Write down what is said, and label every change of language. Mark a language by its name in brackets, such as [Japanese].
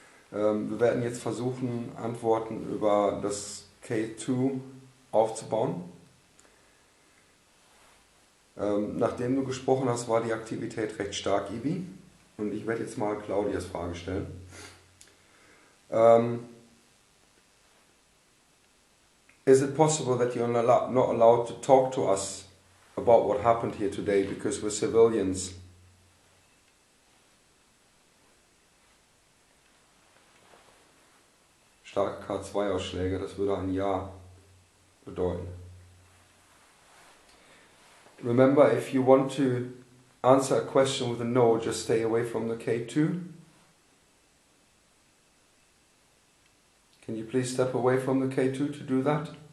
[German] Wir werden jetzt versuchen, Antworten über das K2 aufzubauen. Nachdem du gesprochen hast, war die Aktivität recht stark, Ibi. Und ich werde jetzt mal Claudias Frage stellen. [English] Is it possible that you're not allowed to talk to us about what happened here today because we're civilians? [German] Starke K2-Ausschläge, das würde ein Ja bedeuten. [English] Remember, if you want to answer a question with a no, just stay away from the K2. Can you please step away from the K2 to do that?